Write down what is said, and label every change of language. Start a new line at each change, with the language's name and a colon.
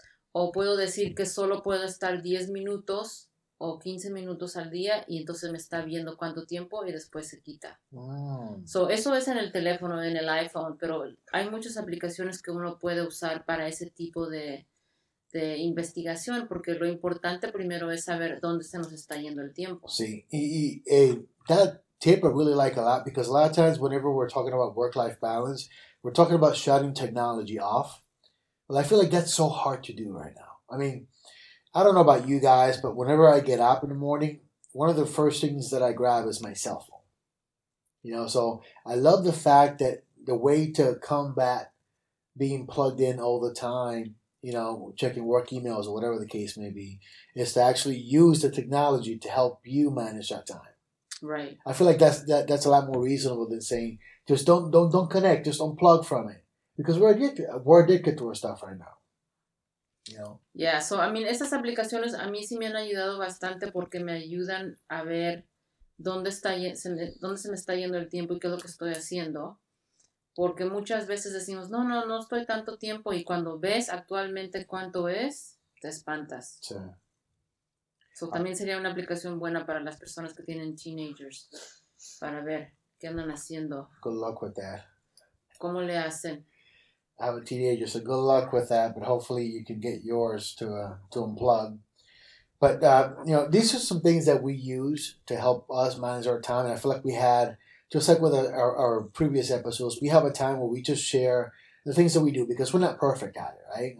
Spanish: O puedo decir que solo puedo estar 10 minutos o 15 minutos al día, y entonces me está viendo cuánto tiempo y después se quita.
English: Wow.
Spanish: So, eso es en el teléfono, en el iPhone, pero hay muchas aplicaciones que uno puede usar para ese tipo de investigación, porque lo importante primero es saber dónde se nos está yendo el tiempo. Sí, y
English: that tip I really like a lot, because a lot of times whenever we're talking about work-life balance, we're talking about shutting technology off. Well, I feel like that's so hard to do right now. I mean, I don't know about you guys, but whenever I get up in the morning, one of the first things that I grab is my cell phone. You know, so I love the fact that the way to combat being plugged in all the time, you know, checking work emails or whatever the case may be, is to actually use the technology to help you manage that time. Right. I feel like that's a lot more reasonable than saying, just don't connect, just unplug from it. Because we're addicted to our stuff right now. No. Yeah, so I mean,
Spanish: esas aplicaciones a mí sí me han ayudado bastante porque me ayudan a ver dónde se me está yendo el tiempo y qué es lo que estoy haciendo. Porque muchas veces decimos, no estoy tanto tiempo, y cuando ves actualmente cuánto es, te espantas. Sí. So también sería una aplicación buena para las personas que tienen teenagers para ver qué andan haciendo.
English: Good luck with that.
Spanish: ¿Cómo le hacen?
English: I have a teenager, so good luck with that, but hopefully you can get yours to unplug. But, you know, these are some things that we use to help us manage our time. And I feel like we had, just like with our previous episodes, we have a time where we just share the things that we do, because we're not perfect at it, right?